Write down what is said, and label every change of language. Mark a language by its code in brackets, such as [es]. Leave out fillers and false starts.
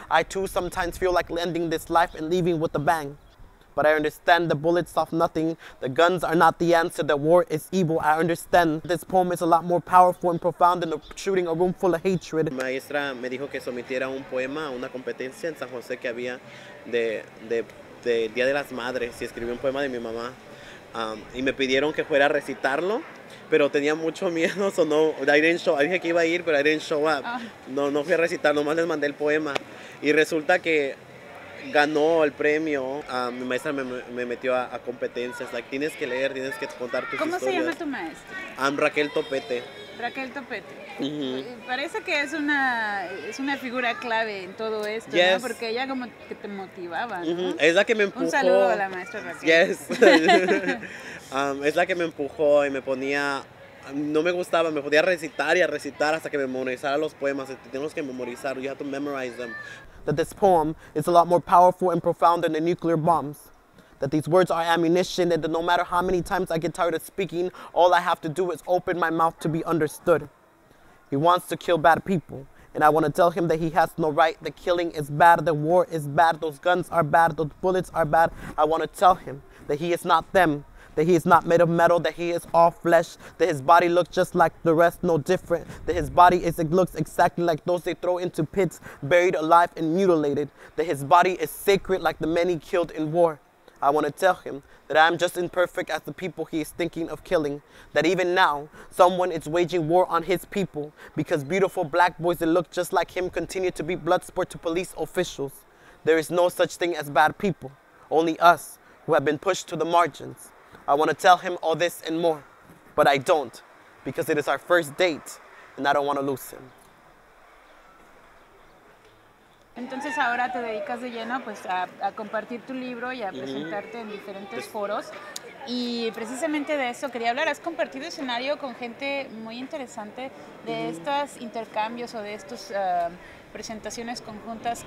[en] I too sometimes feel like ending this life and leaving with a bang. But I understand the bullets solve nothing, the guns are not the answer, the war is evil. I understand this poem is a lot more powerful and profound than shooting a room full of hatred. [es] La maestra me dijo que sometiera un poema a una competencia en San José que había de Día de las Madres, y escribí un poema de mi mamá. Y me pidieron que fuera a recitarlo, pero tenía mucho miedo, so no, dije que iba a ir, pero [en] I didn't show up. [es] No fui a recitar, nomás les mandé el poema. Y resulta que ganó el premio. Mi maestra me metió a competencias. Tienes que leer, tienes que contar tus historias. se llama tu maestra? Raquel Topete. Raquel Topete. Parece que es una figura clave en todo esto, [en] yes, [es] ¿no? Porque ella como que te motivaba, ¿no? Es la que me empujó. Un saludo a la maestra Raquel. [en] Yes. [es] Es la que me empujó y me ponía No me gustaba, me podía recitar y a recitar hasta que memorizara los poemas. Tenemos que memorizar, [en] you have to memorize them. That this poem is a lot more powerful and profound than the nuclear bombs. That these words are ammunition, and that no matter how many times I get tired of speaking, all I have to do is open my mouth to be understood. He wants to kill bad people, and I want to tell him that he has no right. The killing is bad, the war is bad, those guns are bad, those bullets are bad. I want to tell him that he is not them, that he is not made of metal, that he is all flesh, that his body looks just like the rest, no different, that his body is, it looks exactly like those they throw into pits, buried alive and mutilated, that his body is sacred like the many killed in war. I want to tell him that I am just imperfect as the people he is thinking of killing, that even now, someone is waging war on his people because beautiful black boys that look just like him continue to be blood sport to police officials. There is no such thing as bad people, only us who have been pushed to the margins. I want to tell him all this and more, but I don't, because it is our first date, and I don't want to lose him. [es] Entonces ahora te dedicas de lleno pues a compartir tu libro y a presentarte en diferentes foros. Y precisamente de eso quería hablar. Has compartido escenario con gente muy interesante de estos intercambios o de estas presentaciones conjuntas.